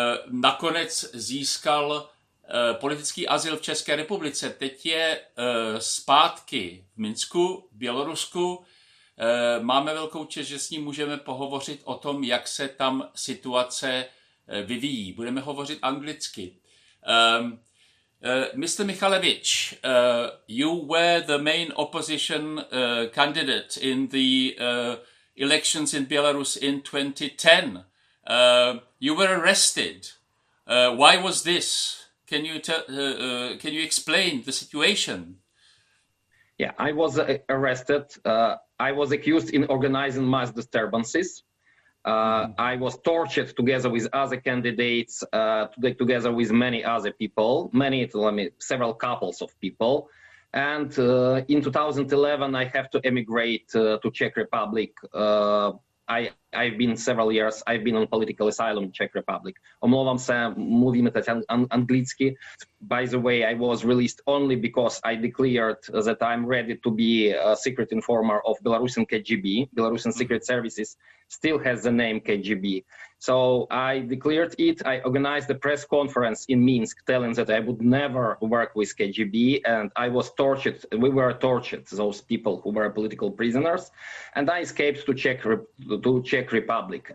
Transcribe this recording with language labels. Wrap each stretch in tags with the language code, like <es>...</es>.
<cs>Nakonec získal politický azyl v České republice. Teď je zpátky v Minsku, v Bělorusku. Máme velkou čest, že s ním můžeme pohovořit o tom, jak se tam situace vyvíjí. Budeme hovořit anglicky.</cs> <en>Mr. Michalevič, you were the main opposition candidate in the elections in Belarus in 2010. You were arrested. Why was this? Can you can you explain the situation? Yeah, I was arrested. I was accused in organizing mass disturbances. I was tortured together with other candidates, together with many other people, several couples of people. And in 2011, I have to emigrate to Czech Republic. I've been several years, I've been on political asylum in Czech Republic.</en> <cs>Omlouvám se, mluvím teď anglicky.</cs> <en>By the way, I was released only because I declared that I'm ready to be a secret informer of Belarusian KGB. Belarusian Secret Services still has the name KGB. So I declared it, I organized a press conference in Minsk telling that I would never work with KGB, and I was tortured, we were tortured, those people who were political prisoners, and I escaped to Czech Republic.</en>